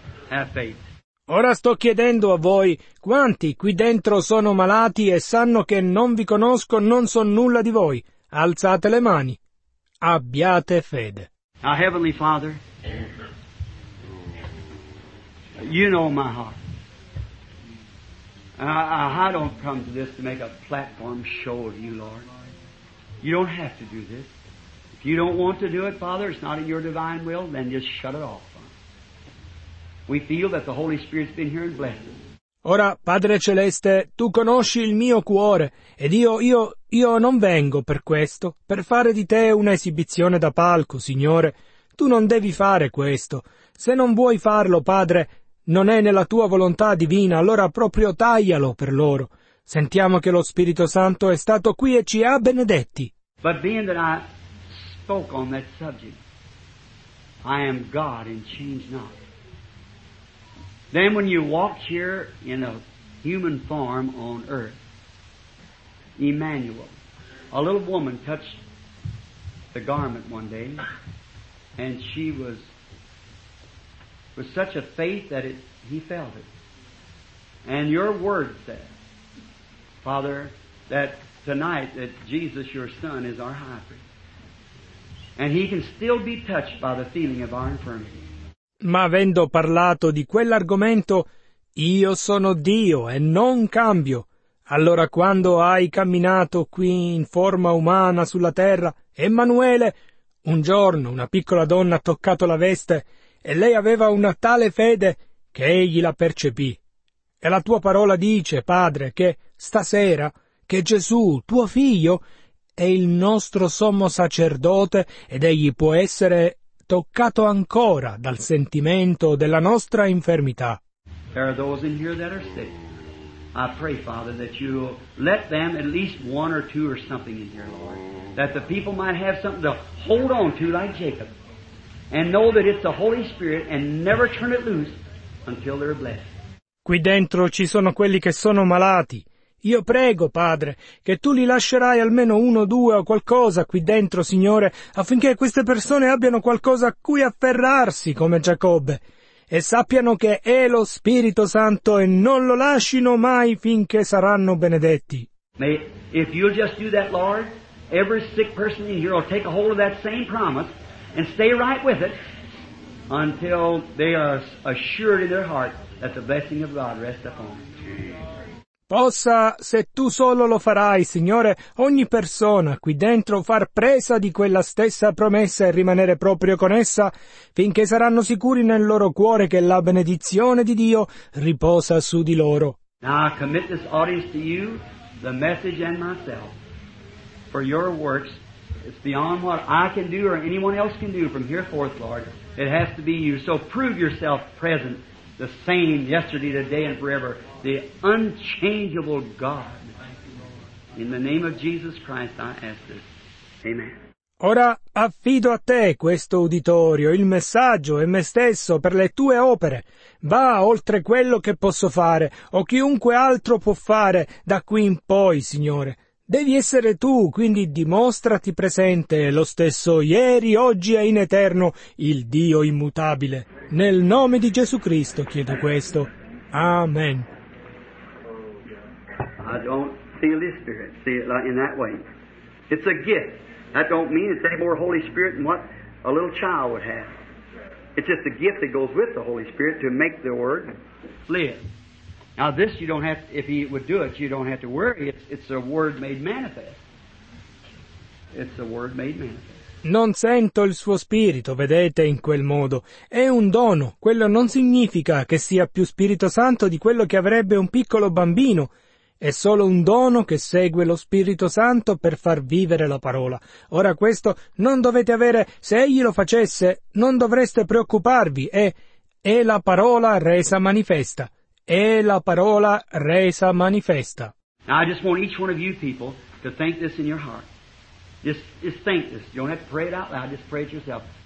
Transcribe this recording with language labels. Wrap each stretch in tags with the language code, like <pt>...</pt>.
<en>Have faith.</en> <it>Ora sto chiedendo a voi, quanti qui dentro sono malati e sanno che non vi conosco, non so nulla di voi? Alzate le mani. Abbiate fede.</it> <en>Now, Heavenly Father, you know my heart. I don't come to this to make a platform show of you, Lord. You don't have to do this. If you don't want to do it, Father, it's not in your divine will, then just shut it off. We feel that the Holy Spirit's been here and blessed us.</en> <it>Ora, Padre Celeste, tu conosci il mio cuore, ed io non vengo per questo, per fare di te un'esibizione da palco, Signore. Tu non devi fare questo. Se non vuoi farlo, Padre, non è nella tua volontà divina, allora proprio taglialo per loro. Sentiamo che lo Spirito Santo è stato qui e ci ha benedetti.</it> <en>But being that I spoke on that subject, I am God and change not. Then when you walked here in a human form on earth, Emmanuel, a little woman touched the garment one day, and she was with such a faith that he felt it. And your word said, Father, that tonight that Jesus, your Son, is our high priest. And he can still be touched by the feeling of our infirmity.</en> <it>Ma avendo parlato di quell'argomento, io sono Dio e non cambio. Allora quando hai camminato qui in forma umana sulla terra, Emanuele, un giorno una piccola donna ha toccato la veste e lei aveva una tale fede che egli la percepì. E la tua parola dice, Padre, che stasera, che Gesù, tuo figlio, è il nostro sommo sacerdote ed egli può essere toccato ancora dal sentimento della nostra infermità.</it> <en>There are those in here that are sick. I pray, Father, that you let them at least one or two or something in here, Lord, that the people might have something to hold on to like Jacob and know that it's the Holy Spirit and never turn it loose until they're blessed.</en> <it>Qui dentro ci sono quelli che sono malati. Io prego, Padre, che tu li lascerai almeno uno, due o qualcosa qui dentro, Signore, affinché queste persone abbiano qualcosa a cui afferrarsi come Giacobbe. e sappiano che è lo Spirito Santo e non lo lascino mai finché saranno benedetti.</it> <en>May, if you'll just do that, Lord, every sick person in here will take a hold of that same promise and stay right with it until they are assured in their heart that the blessing of God rests upon them.</en> <it>Possa, se tu solo lo farai, Signore, ogni persona qui dentro far presa di quella stessa promessa e rimanere proprio con essa, finché saranno sicuri nel loro cuore che la benedizione di Dio riposa su di loro.</it> <en>Now I commit this audience to you, the message and myself, for your works. It's beyond what I can do or anyone else can do from here forth, Lord. It has to be you. So prove yourself present, the same yesterday, today, and forever. The unchangeable God. In the name of Jesus Christ I ask this. Amen.</en> <it>Ora affido a te questo uditorio, il messaggio e me stesso per le tue opere. Va oltre quello che posso fare o chiunque altro può fare da qui in poi, Signore. Devi essere tu, quindi dimostrati presente, lo stesso ieri, oggi e in eterno, il Dio immutabile. Nel nome di Gesù Cristo chiedo questo. Amen.</it> <en>I don't feel His Spirit. See it in that way. It's a gift. That don't mean it's any more Holy Spirit than what a little child would have. It's just a gift that goes with the Holy Spirit to make the Word live. Now this you don't have to, if He would do it, you don't have to worry. It's a Word made manifest. It's a Word made manifest.</en> <it>Non sento il suo spirito, vedete, in quel modo. È un dono. Quello non significa che sia più Spirito Santo di quello che avrebbe un piccolo bambino. È solo un dono che segue lo Spirito Santo per far vivere la parola. Ora questo non dovete avere, se egli lo facesse, non dovreste preoccuparvi. È la parola resa manifesta. È la parola resa manifesta.</it> <en>Now I just want each one of you people to think this in your heart. Just think this. You don't have to pray it out loud, just pray it yourself.</en>